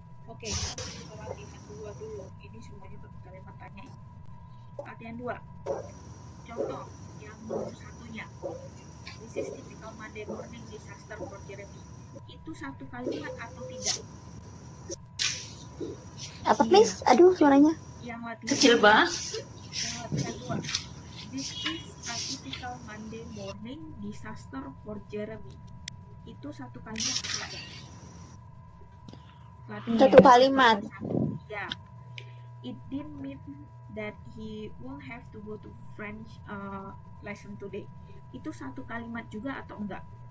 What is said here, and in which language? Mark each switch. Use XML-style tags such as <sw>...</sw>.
<id>Oke, kita latihan 2 dulu. Ini semuanya pakai kalimat tanya. Latihan 2. Contoh yang nomor satunya.</id> <en>This is typical Monday morning disaster for Jeremy.</en> <id>Itu satu kalimat atau tidak? Apa</id> <en>please? Yeah.</en> <id>Aduh, suaranya. Yang latihan kecil banget. Yang latihan 2.</id> <en>This is a typical Monday morning disaster for Jeremy.</en> <id>Itu satu kalimat atau tidak? Latihan. Satu kalimat.</id> <en>Ya. It didn't mean that he will have to go to French lesson today.</en> <id>Itu satu kalimat juga atau enggak?</id>